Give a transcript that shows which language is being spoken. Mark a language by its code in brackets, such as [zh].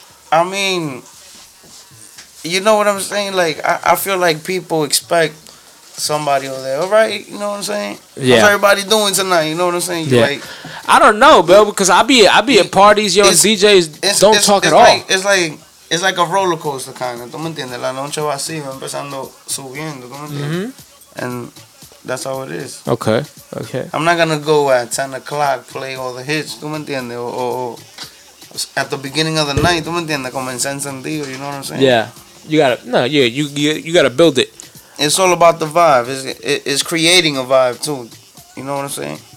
[en] I mean, you know what I'm saying? Like, I feel like people expect somebody over there, all right? You know what I'm saying? Yeah. How's everybody doing tonight? You know what I'm saying? Yeah. Like, I don't know, bro, because I be at parties, yo, and DJs don't talk at all. Like, it's like a roller coaster kind of. [es] ¿Tú me entiendes? La noche va así, va empezando subiendo. ¿Tú me entiendes? Mm-hmm. [en] And that's how it is. Okay. I'm not going to go at 10 o'clock, play all the hits. [es] ¿Tú me entiendes? [en] Or at the beginning of the night. [es] ¿Tú me entiendes? Como en [en] San Sandillo, you know what I'm saying? Yeah. You gotta build it. It's all about the vibe. It's creating a vibe too. You know what I'm saying?